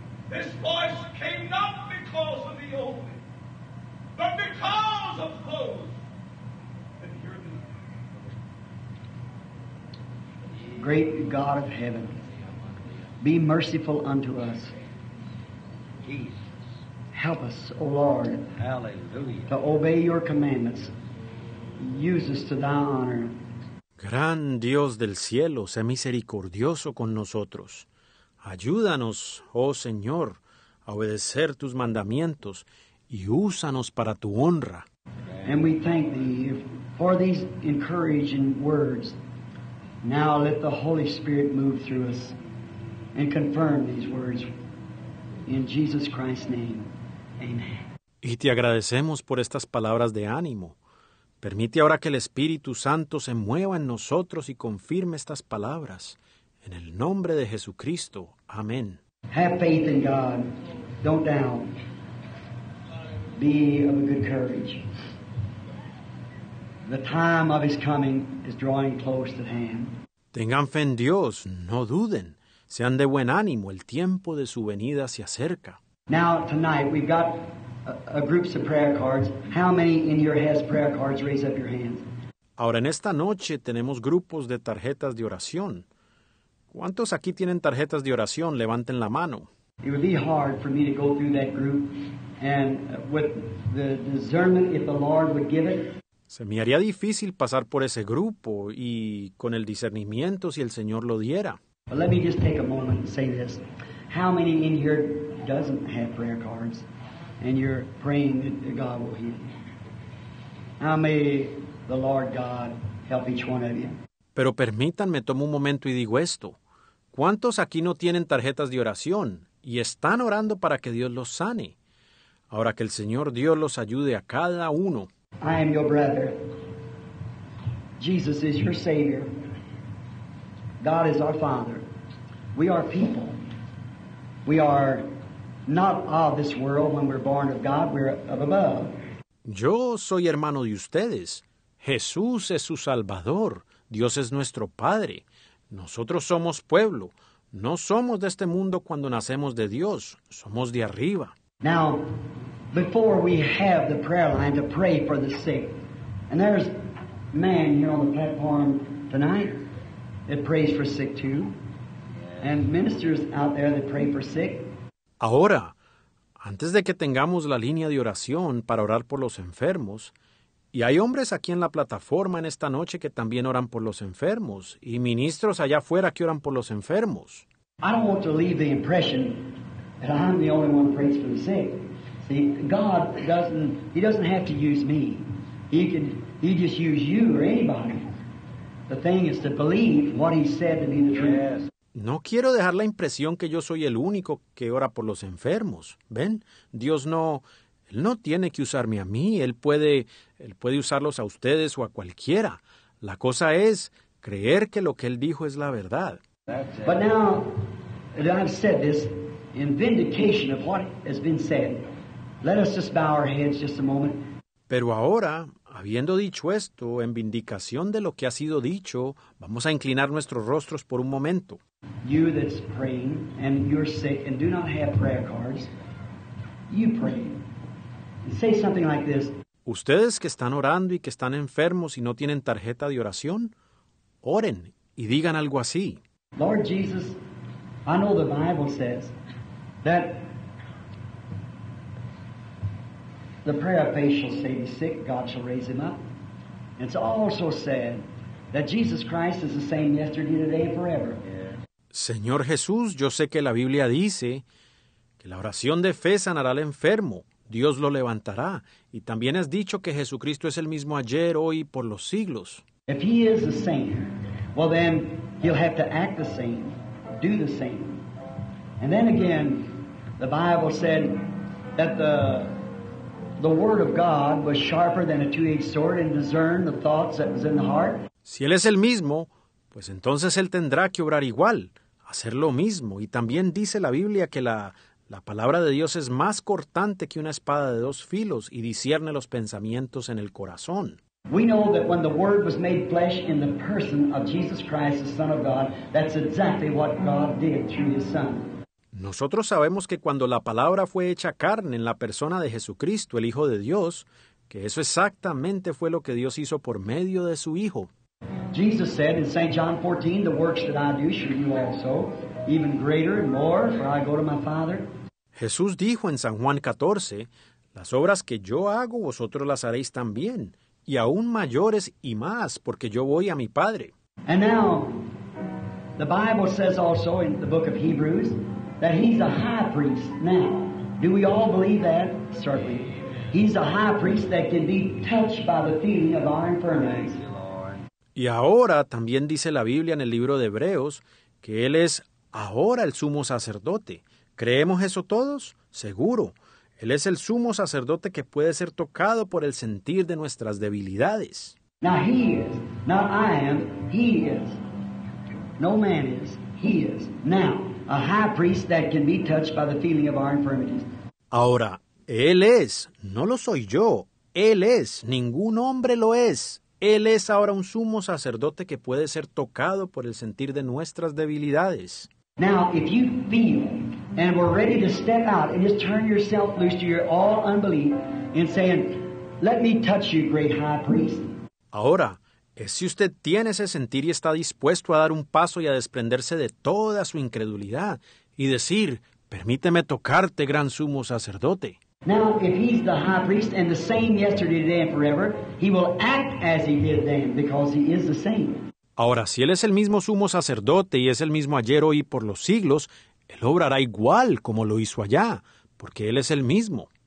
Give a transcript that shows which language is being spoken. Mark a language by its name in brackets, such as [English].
[English] This voice came not because of thee only, but because of those that hear thee. Great God of heaven, be merciful unto us. Jesus. Help us, O Lord, hallelujah, to obey your commandments. Use us to thy honor. [Spanish] Gran Dios del cielo, sé misericordioso con nosotros. Ayúdanos, oh Señor, a obedecer tus mandamientos y úsanos para tu honra. [English] And we thank thee for these encouraging words. Now let the Holy Spirit move through us and confirm these words. In Jesus Christ's name, amen. [Spanish] Y te agradecemos por estas palabras de ánimo. Permite ahora que el Espíritu Santo se mueva en nosotros y confirme estas palabras. En el nombre de Jesucristo. Amén. [English] Have faith in God. Don't doubt. Be of a good courage. The time of His coming is drawing close at hand. [Spanish] Tengan fe en Dios, no duden. Sean de buen ánimo, el tiempo de su venida se acerca. [English] Now, tonight, we've got a groups of prayer cards. How many in here has prayer cards? Raise up your hands. [Spanish] Ahora, en esta noche, tenemos grupos de tarjetas de oración. ¿Cuántos aquí tienen tarjetas de oración? Levanten la mano. [English] It would be hard for me to go through that group and with the discernment if the Lord would give it. [Spanish] Se me haría difícil pasar por ese grupo y con el discernimiento si el Señor lo diera. [English] Well, let me just take a moment and say this. How many in here doesn't have prayer cards and you're praying that God will heal you? How may the Lord God help each one of you? [Spanish] Pero permítanme, tomo un momento y digo esto. ¿Cuántos aquí no tienen tarjetas de oración y están orando para que Dios los sane? Ahora que el Señor Dios los ayude a cada uno. [English] I am your brother. Jesus is your Savior. God is our Father. We are people. We are not of this world when we're born of God. We're of above. [Spanish] Yo soy hermano de ustedes. Jesús es su Salvador. Dios es nuestro Padre. Nosotros somos pueblo. No somos de este mundo cuando nacemos de Dios. Somos de arriba. [English] Now, before we have the prayer line to pray for the sick, and there's a man here on the platform tonight that prays for sick too, and ministers out there that pray for sick. [Spanish] Ahora, antes de que tengamos la línea de oración para orar por los enfermos, y hay hombres aquí en la plataforma en esta noche que también oran por los enfermos, y ministros allá afuera que oran por los enfermos. [English] I don't want to leave the impression that I'm the only one who prays for the sick. See, God doesn't have to use me. He just use you or anybody. The thing is to believe what He said to be the truth. Yes. [Spanish] No quiero dejar la impresión que yo soy el único que ora por los enfermos. ¿Ven? Dios no... Él no tiene que usarme a mí. Él puede usarlos a ustedes o a cualquiera. La cosa es creer que lo que Él dijo es la verdad. [English] But now, and I've said this in vindication of what has been said, let us just bow our heads just a moment. [Spanish] Pero ahora, habiendo dicho esto, en vindicación de lo que ha sido dicho, vamos a inclinar nuestros rostros por un momento. [English] You that's praying and you're sick and do not have prayer cards, you pray. Say something like this. [Spanish] Ustedes que están orando y que están enfermos y no tienen tarjeta de oración, oren y digan algo así. [English] Lord Jesus, I know the Bible says that the prayer of faith shall save the sick, God shall raise him up. It's also said that Jesus Christ is the same yesterday, today, and forever. Yeah. [Spanish] Señor Jesús, yo sé que la Biblia dice que la oración de fe sanará al enfermo. Dios lo levantará. Y también has dicho que Jesucristo es el mismo ayer, hoy y por los siglos. [English] If he is the same, well then, he'll have to act the same, do the same. And then again, the Bible said that the word of God was sharper than a two-edged sword and discerned the thoughts that was in the heart. [Spanish] Si él es el mismo, pues entonces él tendrá que obrar igual, hacer lo mismo. Y también dice la Biblia que la palabra de Dios es más cortante que una espada de dos filos y discierne los pensamientos en el corazón. [English] We know that when the Word was made flesh in the person of Jesus Christ, the Son of God, that's exactly what God did through His Son. [Spanish] Nosotros sabemos que cuando la palabra fue hecha carne en la persona de Jesucristo, el Hijo de Dios, que eso exactamente fue lo que Dios hizo por medio de su Hijo. [English] Jesus said in St. John 14, the works that I do shall you also. Even greater and more, for I go to my Father. [Spanish] Jesús dijo en San Juan 14, las obras que yo hago, vosotros las haréis también, y aún mayores y más, porque yo voy a mi Padre. [English] And now, the Bible says also in the book of Hebrews, that he's a high priest. Now, do we all believe that? Certainly. He's a high priest that can be touched by the feeling of our infirmities. [Spanish] Y ahora, también dice la Biblia en el libro de Hebreos, que él es ahora el sumo sacerdote. ¿Creemos eso todos? Seguro. Él es el sumo sacerdote que puede ser tocado por el sentir de nuestras debilidades. [English] Now he is, not I am, he is. No man is, he is. Now, a high priest that can be touched by the feeling of our infirmities. [Spanish] Ahora, él es, no lo soy yo. Él es, ningún hombre lo es. Él es ahora un sumo sacerdote que puede ser tocado por el sentir de nuestras debilidades. [English] Now, if you feel and were ready to step out and just turn yourself loose to your all unbelief and saying, let me touch you, great high priest. [Spanish] Ahora, si usted tiene ese sentir y está dispuesto a dar un paso y a desprenderse de toda su incredulidad y decir, permíteme tocarte, gran sumo sacerdote. [English] Now, if he's the high priest and the same yesterday, today, and forever, he will act as he did then, because he is the same. [Spanish] Ahora, si él es el mismo sumo sacerdote y es el mismo ayer, hoy y por los siglos, él obrará igual como lo hizo allá, porque él es el mismo.